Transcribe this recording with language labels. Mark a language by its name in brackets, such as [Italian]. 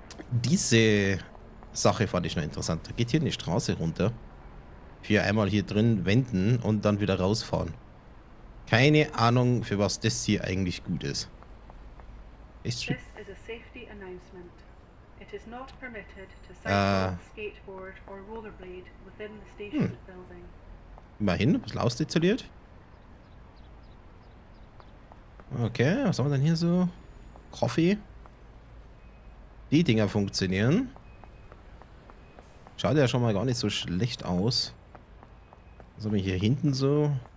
[German] Diese Sache fand ich noch interessant. Da geht hier eine Straße runter. Hier einmal hier drin wenden und dann wieder rausfahren. Keine Ahnung, für was das hier eigentlich gut ist. Ist das ein Safety Announcement? [English] It is not permitted to cycle, skateboard or rollerblade within the station building. [German] Immerhin, ein bisschen ausdetailliert. Okay, was haben wir denn hier so? Coffee. Die Dinger funktionieren. Schaut ja schon mal gar nicht so schlecht aus. Was haben wir hier hinten so?